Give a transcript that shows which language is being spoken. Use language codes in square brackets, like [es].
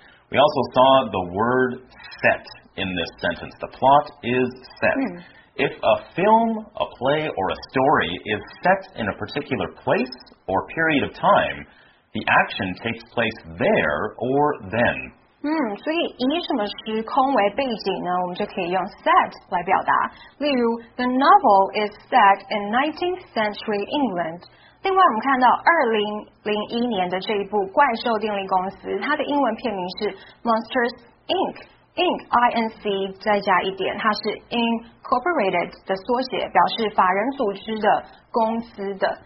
[en] We also saw the word set in this sentence. The plot is set. If a film, a play, or a story is set in a particular place or period of time, the action takes place there or then. [zh] 所以以什么时空为背景呢？我们就可以用 set 来表达。 [en] 例如 ，the novel is set in 19th century England。 [zh] 另外，我们看到2001年的这一部《怪兽电力公司》，它的英文片名是 Monsters Inc. Inc. I N C 再加一点，它是 Incorporated 的缩写，表示法人组织的公司的。